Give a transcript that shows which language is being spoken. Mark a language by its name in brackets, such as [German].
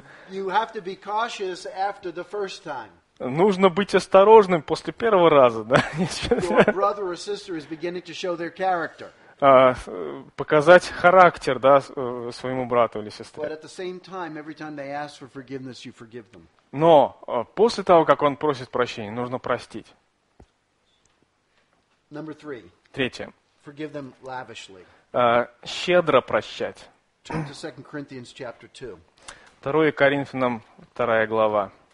[English] You have to be cautious after the first time. [Russian] Нужно быть осторожным после первого раза, да? [English] Your brother or sister is beginning to show their character. [Russian] Показать характер, да, своему брату или сестре. [English] But at the same time, every time they ask for forgiveness, you forgive them. [Russian] Но после того, как он просит прощения, нужно простить. [English] Number three. [Russian] Третье. [English] Forgive them lavishly. [Russian] Щедро прощать. [English] Turn to 2 Corinthians chapter 2. [Russian] 2 Коринфянам, 2 глава.